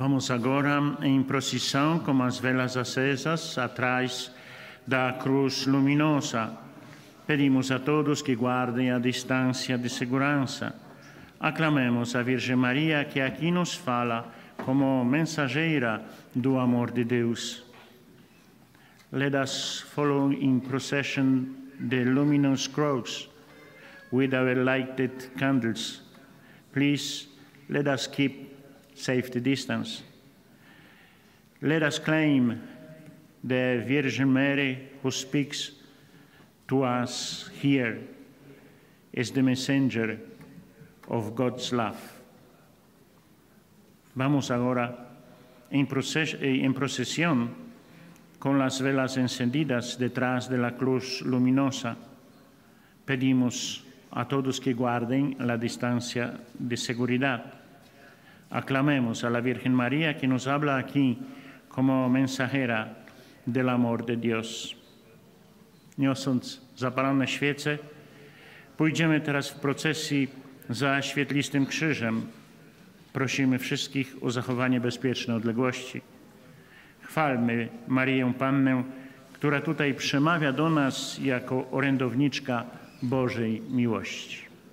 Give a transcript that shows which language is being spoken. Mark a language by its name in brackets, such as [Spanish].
[Portuguese] Agora em procissão com as velas acesas atrás da cruz luminosa. Pedimos a todos que guardem a distância de segurança. Aclamemos a Virgem Maria que aqui nos fala como mensageira do amor de Deus. [English] Let us follow in procession the luminous cross with our lighted candles. Please let us keep safety distance. Let us claim the Virgin Mary who speaks to us here as the messenger of God's love. [Spanish] Vamos ahora en procesión con las velas encendidas detrás de la cruz luminosa. Pedimos a todos que guarden la distancia de seguridad. Aclamemos a la Virgen María que nos habla aquí como mensajera del amor de Dios. [Polish] Niosąc zapalone świece, pójdziemy teraz w procesji za świetlistym krzyżem. Prosimy wszystkich o zachowanie bezpiecznej odległości. Chwalmy Marię Pannę, która tutaj przemawia do nas jako orędowniczka Bożej miłości.